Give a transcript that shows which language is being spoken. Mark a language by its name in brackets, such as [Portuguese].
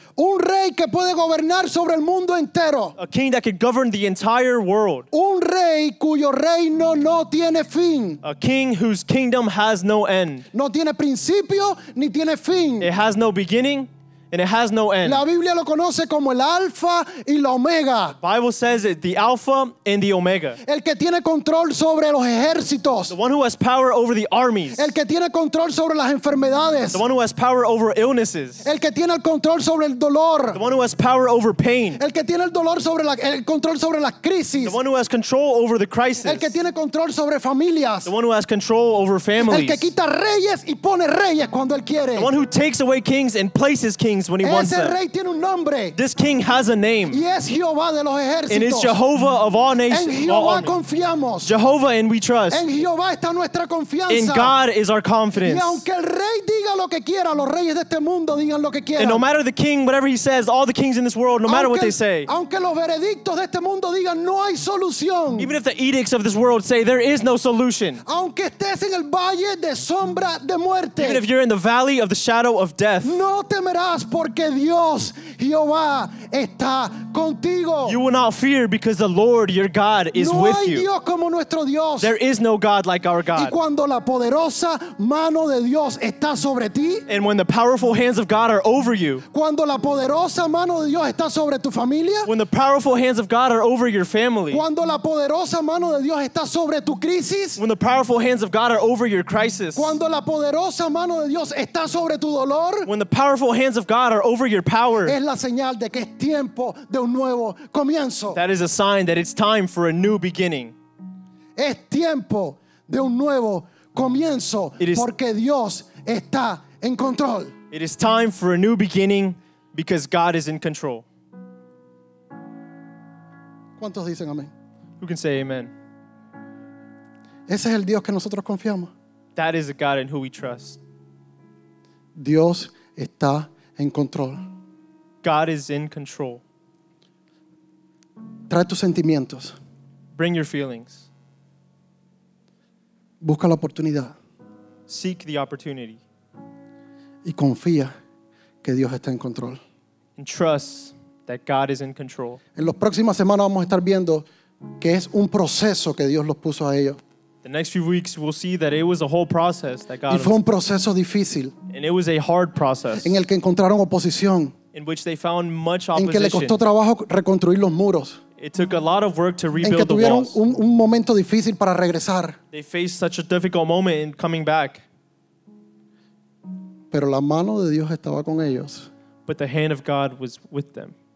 [Spanish] Un rey que puede gobernar sobre el mundo entero. [English] A king that could govern the entire world. [Spanish] Un rey cuyo reino no tiene fin. [English] A king whose kingdom has no end. [Spanish] No tiene principio ni tiene fin. [English] It has no beginning and it has no end. [Spanish] La Biblia lo conoce como el Alfa y la Omega. [English] The Bible says it, the Alpha and the Omega. [Spanish] El que tiene control sobre los ejércitos. [English] The one who has power over the armies. [Spanish] El que tiene control sobre las enfermedades. [English] The one who has power over illnesses. [Spanish] El que tiene el control sobre el dolor. [English] The one who has power over pain. [Spanish] El que tiene el dolor sobre la, el control sobre las crisis. [English] The one who has control over the crisis. [Spanish] El que tiene control sobre familias. [English] The one who has control over families. [Spanish] El que quita reyes y pone reyes cuando él quiere. [English] The one who takes away kings and places kings when he wants them. This king has a name. [Spanish] Yes, Jehovah de los ejércitos. [English] And it's Jehovah of all nations. [Spanish] En Jehovah confiamos. [English] Jehovah and we trust. [Spanish] En Jehovah está nuestra confianza. [English] In God is our confidence. [Spanish] Y aunque el rey diga lo que quiera, los reyes de este mundo digan lo que quieran. [English] And no matter the king, whatever he says, all the kings in this world, no matter what they say. [Spanish] Aunque los veredictos de este mundo digan no hay solución. [English] Even if the edicts of this world say there is no solution. [Spanish] Aunque estés en el valle de sombra de muerte. [English] Even if you're in the valley of the shadow of death. [Spanish] No temerás. Porque Dios, Jehová, está contigo. [English] You will not fear because the Lord your God is [Spanish] no hay [English] with you. [Spanish] Dios como nuestro Dios. [English] There is no God like our God. [Spanish] Y cuando la poderosa mano de Dios está sobre ti, [English] and when the powerful hands of God are over you, [Spanish] cuando la poderosa mano de Dios está sobre tu familia, [English] when the powerful hands of God are over your family, [Spanish] cuando la poderosa mano de Dios está sobre tu crisis, [English] when the powerful hands of God are over your crisis, [Spanish] cuando la poderosa mano de Dios está sobre tu dolor, [English] when the powerful hands of God are over your power. [Spanish] Es la señal de que es tiempo de un nuevo comienzo. [English] That is a sign that it's time for a new beginning. [Spanish] Es tiempo de un nuevo comienzo porque Dios está en control. [English] It is time for a new beginning because God is in control. [Spanish] ¿Cuántos dicen amén? [English] Who can say amen? [Spanish] Ese es el Dios que nosotros confiamos. [English] That is the God in who we trust. [Spanish] Dios está en control. [English] God is in control. [Spanish] Trae tus sentimientos. [English] Bring your feelings. [Spanish] Busca la oportunidad. [English] Seek the opportunity. [Spanish] Y confía que Dios está en control. [English] And trust that God is in control. [Spanish] En las próximas semanas vamos a estar viendo que es un proceso que Dios los puso a ellos. [English] The next few weeks we'll see that it was a whole process that God. [Spanish] Y fue un proceso difícil. [English] And it was a hard process. [Spanish] En el que encontraron oposición. [English] In which they found much opposition. [Spanish] En que le costó trabajo reconstruir los muros. [English] It took a lot of work to rebuild the walls. [Spanish] En que tuvieron un momento difícil para regresar. [English] They faced such a difficult moment in coming back. [Spanish] Pero la mano de Dios estaba con ellos. [English] But the hand of God was with them.